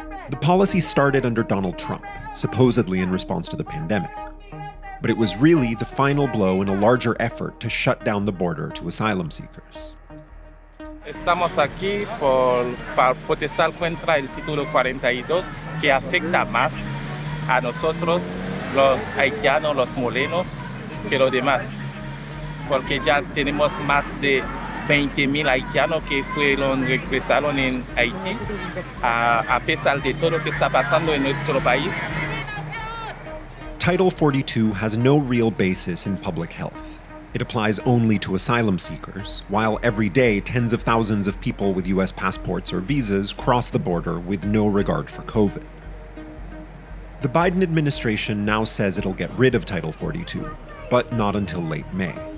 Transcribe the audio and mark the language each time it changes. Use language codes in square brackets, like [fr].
[en] The policy started under Donald Trump, supposedly in response to the pandemic. But it was really the final blow in a larger effort to shut down the border to asylum seekers. [es] Estamos aquí por protestar contra el título 42 que afecta más a nosotros, los haitianos, los morenos, que los demás. Porque ya tenemos más de 20,000 haitianos que fueron regresaron en Haití, a pesar de todo lo que está pasando en nuestro país. [en] Title 42 has no real basis in public health. It applies only to asylum seekers, while every day tens of thousands of people with U.S. passports or visas cross the border with no regard for COVID. The Biden administration now says it'll get rid of Title 42, but not until late May.